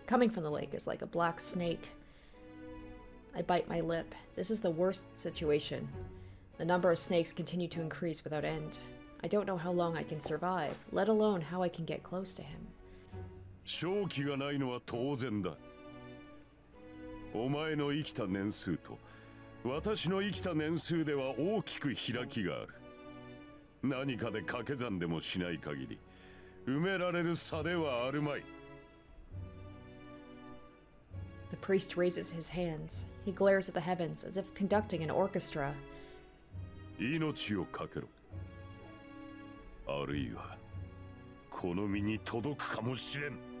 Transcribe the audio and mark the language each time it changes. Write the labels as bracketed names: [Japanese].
[English] Coming from the lake is like a black snake. I bite my lip. This is the worst situation. The number of snakes continue to increase without end. I don't know how long I can survive, let alone how I can get close to him. [Japanese] 正気がないのは当然だ。お前の生きた年数と私の生きた年数では大きく開きがある。何かで掛け算でもしない限り埋められる差ではあるまい。 [English] The priest raises his hands. He glares at the heavens as if conducting an orchestra. [Japanese] 命をかけろ。あるいはこの身に届くかもしれん。